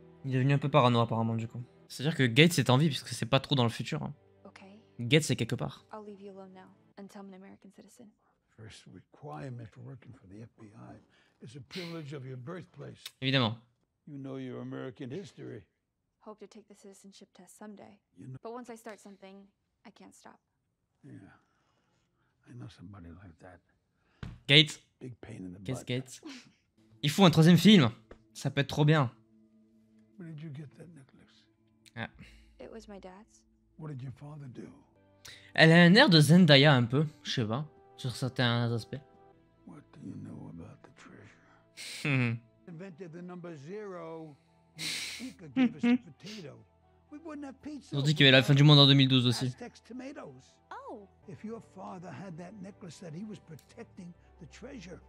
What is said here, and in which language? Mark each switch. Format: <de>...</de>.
<fr>Il est devenu un peu parano, apparemment, du coup. C'est-à-dire que Gates est en vie, puisque c'est pas trop dans le futur. Hein. Okay. Gates est quelque part.</fr> <en>I'll leave you alone now, and tell me an American citizen. First requirement for working for the FBI is a privilege of your birthplace.</en> <fr>Évidemment.</fr> <en>You know your American history. Hope to take the citizenship test someday. You know. But once I start something, I can't stop. Yeah. I know somebody like that. Gates. Big pain in the butt. Gates.</en> <fr>Il faut un troisième film. Ça peut être trop bien.</fr> <en>Where did you get that necklace? Ah. It was my dad's. What did your father do?</en> <fr>Elle a un air de Zendaya un peu, je sais pas, sur certains aspects.</fr> <en>What do you know about the treasure? Invented the number zero. We wouldn't have pizza.</en> <fr>On dit qu'il y avait la fin du monde en 2012 aussi.</fr> <en>Aztec tomatoes. Oh. If your father had that necklace that he was protecting the treasure.</en>